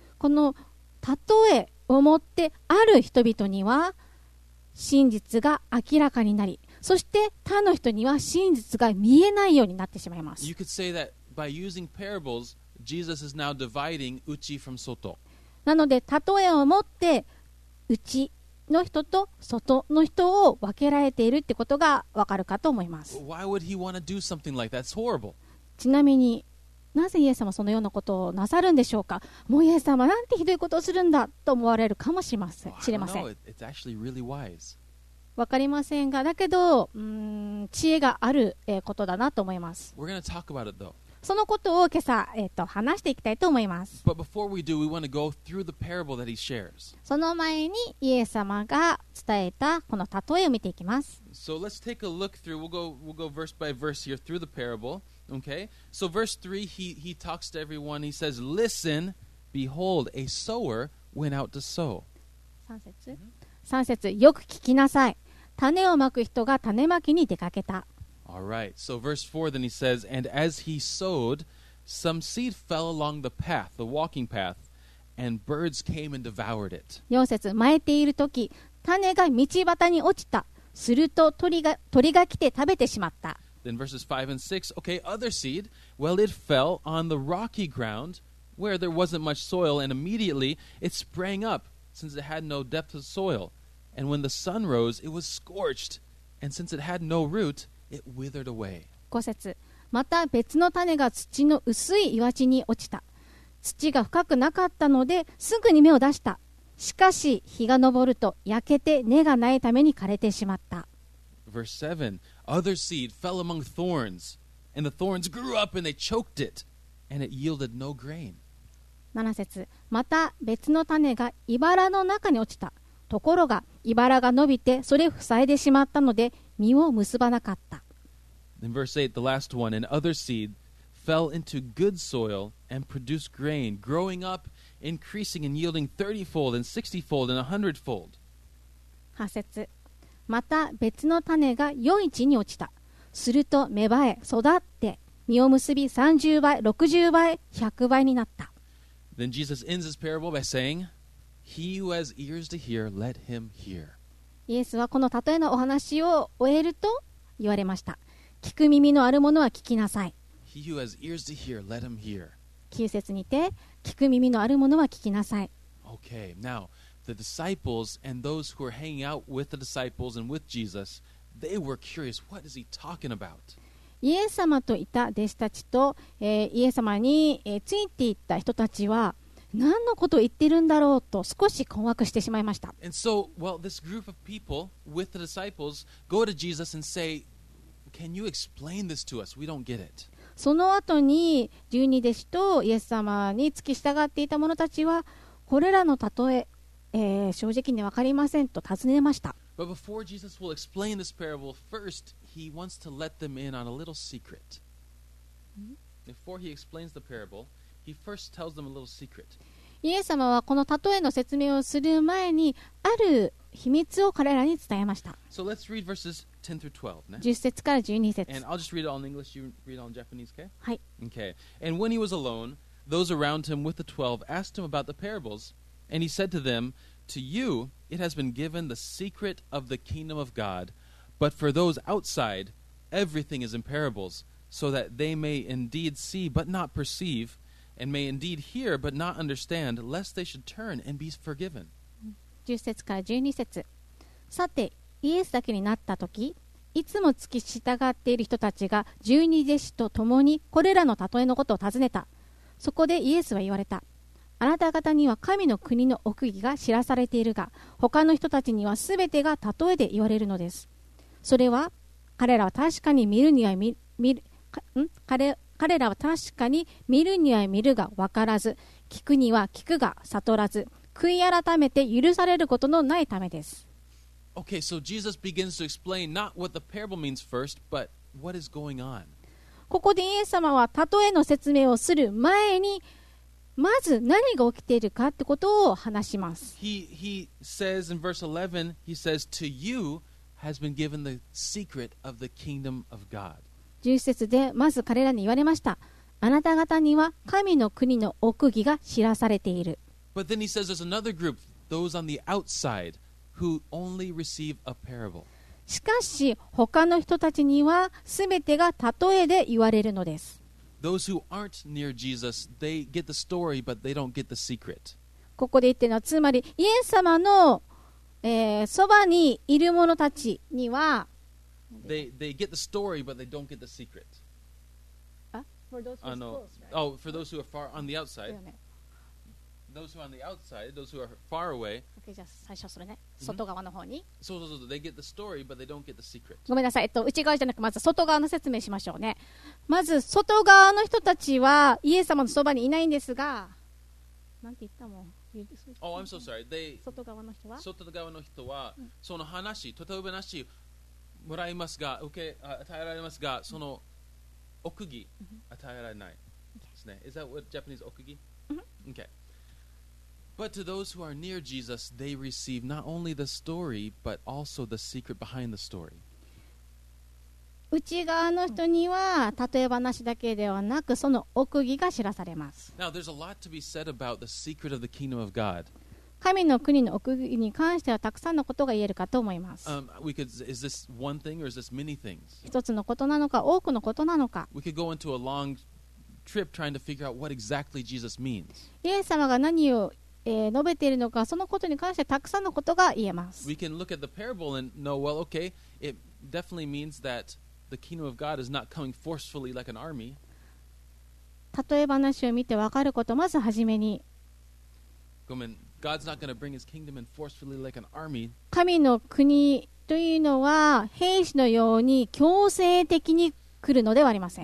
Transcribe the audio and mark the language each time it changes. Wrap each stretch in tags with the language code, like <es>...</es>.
<ja>この例えをもってある人々には真実が明らかになりそして他の人には真実が見えないようになってしまいます。</ja> <en>You could say that by using parablesJesus is now dividing uchi from soto.</en> <ja>なので例えを持って内の人と外の人を分けられているってことがわかるかと思います。</ja> <en>Why would he want to do something like that? It's horrible.</en> <ja>ちなみになぜイエス様そのようなことをなさるんでしょうか。もうイエス様なんてひどいことをするんだと思われるかもしれません。</ja> <en>Well, I don't know. It's actually really wise.</en> <ja>わかりませんが、だけど知恵があることだなと思います。</ja> <en>We're going to talk about it though.</en> <ja>そのことを今朝、話していきたいと思います。</ja> <en>But before we do, we want to go through the parable that he shares.</en> <ja>その前にイエス様が伝えたこの例えを見ていきます。</ja> <en>So let's take a look through, we'll go verse by verse here through the parable, okay? So verse 3, he talks to everyone, he says, Listen, behold, a sower went out to sow.</en> <ja>3節、mm-hmm. 3節、よく聞きなさい。種をまく人が種まきに出かけた。</ja> <en>All right, so verse 4 then he says, And as he sowed, some seed fell along the path, the walking path, and birds came and devoured it.</en> <ja>4節、まいているとき、種が道端に落ちた。すると鳥が来て食べてしまった。</ja> <en>Then verses 5 and 6, okay, other seed, well, it fell on the rocky ground where there wasn't much soil, and immediately it sprang up since it had no depth of soil. And when the sun rose, it was scorched, and since it had no root,It withered away.</en> <ja>5節また別の種が土の薄い岩地に落ちた。土が深くなかったのですぐに芽を出した。しかし日が昇ると焼けて根がないために枯れてしまった。</ja> <en>Verse 7. Other seed fell among thorns, and the thorns grew up and they choked it, and it yielded no grain.</en> <ja>7節。また別の種が茨の中に落ちた。ところが茨が伸びてそれを塞いでしまったので実を結ばなかった。</ja> <en>In verse 8, the last one, and other seed fell into good soil and produced grain, growing up, increasing and yielding 30-fold and 60-fold and 100-fold.</en> <ja>8節。また別の種が良い地に落ちた。すると芽生え、育って、実を結び30倍、60倍、100倍になった。</ja> <en>Then Jesus ends his parable by saying, He who has ears to hear, let him hear.</en> <ja>イエスはこの例えのお話を終えると言われました。聞く耳のある者は聞きなさい。</ja> <en>He who has ears to hear, let him hear.</en> <ja>9節にて、聞く耳のある者は聞きなさい。</ja> <en>Okay, now, the disciples and those who were hanging out with the disciples and with Jesus, they were curious, what is he talking about?</en> <ja>イエス様といた弟子たちと、イエス様に、ついていった人たちは、何のことを言ってるんだろうと少し困惑してしまいました。</ja> <en>And so, well, this group of people with the disciples go to Jesus and say,Can you explain this to us? We don't get it.</en> <ja>その後に十二弟子とイエス様に付き従っていた者たちはこれらの例え、正直に分かりませんと尋ねました。</ja> <en>But before Jesus will explain this parable, first he wants to let them in on a little secret. Before he explains the parable, he first tells them a little secret.</en> <ja>イエス様はこの例えの説明をする前にある秘密を彼らに伝えました。</ja> <en>So let's read verses 10 through 12.</en> <ja>10節から12節。</ja> <en>And I'll just read it all in English, you read it all in Japanese, okay?</en> <ja>はい。</ja> <en>Okay. And when he was alone, those around him with the 12 asked him about the parables, and he said to them, To you it has been given the secret of the kingdom of God, but for those outside, everything is in parables, so that they may indeed see but not perceive, and may indeed hear but not understand, lest they should turn and be forgiven.</en> <ja>10節から12節。さてイエスだけになった時いつも付き従っている人たちが十二弟子と共にこれらの例えのことを尋ねた。そこでイエスは言われた。あなた方には神の国の奥義が知らされているが他の人たちには全てが例えで言われるのです。それは彼らは確かに見るには 見るが分からず聞くには聞くが悟らず悔い改めて許されることのないためです。</ja> <en>Okay, so Jesus begins to explain not what the parable means first, but what is going on.</en> <ja>ここでイエス様は例えの説明をする前にまず何が起きているかってことを話します。</ja> <en>He says in verse 11, he says, To you has been given the secret of the kingdom of God.</en> <ja>10節でまず彼らに言われました。あなた方には神の国の奥義が知らされている。</ja> <en>But then he says there's another group, those on the outside, who only receive a parable.</en> <ja>しかし他の人たちには全てが例えで言われるのです。</ja> <en>Those who aren't near Jesus, they get the story, but they don't get the secret.</en> <ja>ここで言ってるのはつまりイエス様の、そばにいる者たちには</ja> <en>they get the story, but they don't get the secret. For those who are close, right? Oh, for those who are far on the outside. Those who are on the outside, those who are far away.</en> <ja>Okay, じゃあ最初それね、mm-hmm. 外側の方に。</ja> <en>So, they get the story, but they don't get the secret.</en> <ja>ごめんなさい、内側じゃなくまず外側の説明しましょうね。まず外側の人たちはイエス様のそばにいないんですが、なんて言ったもん。</ja> <en>Oh, I'm so sorry. They</en> <ja>外側の人は外側の人は、うん、その話、例え話もらいますが、受け与えられますが、その奥義与えられないですね。</ja> <en>Is that what Japanese 奥義？Okay. But to those who are near Jesus, they receive not only the story, but also the secret behind the story.</en> <ja>内側の人には例え話だけではなくその奥義が知らされます。</ja> <en>Now, there's a lot to be said about the secret of the kingdom of God.</en> <ja>神の国の奥義に関してはたくさんのことが言えるかと思います。</ja> <en>Is this one thing or is this many things?</en> <ja>一つのことなのか多くのことなのか。</ja> <en>We could go into a long trip trying to figure out what exactly Jesus means.</en> <ja>イエス様が何を述べているのかそのことに関してたくさんのことが言えます。</ja> <en>We can look at the parable and know, well, okay, it definitely means that the kingdom of God is not coming forcefully like an army.</en> <ja>例え話を見て分かることまずはじめに</ja> <en>God's not going to bring his kingdom in forcefully like an army.</en> <ja>神の国というのは兵士のように強制的に来るのではありません。</ja>